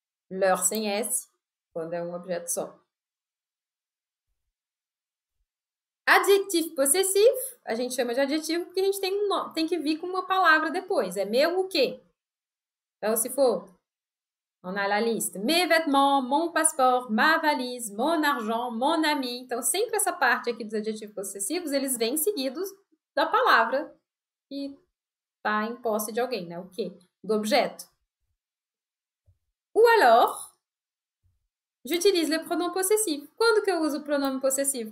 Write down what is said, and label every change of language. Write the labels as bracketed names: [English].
[Portuguese] Leur sem S, quando é um objeto só. Adjetivo possessivo, a gente chama de adjetivo porque a gente tem, tem que vir com uma palavra depois. É meu o quê? Então, se for, [French] on a la liste. Mes vêtements, mon passeport, ma valise, mon argent, mon ami. [Portuguese] Então, sempre essa parte aqui dos adjetivos possessivos, eles vêm seguidos da palavra que está em posse de alguém, né? O quê? Do objeto. [French] Ou alors, J'utilise le pronom possessif. [Portuguese] Quando que eu uso o pronome possessivo?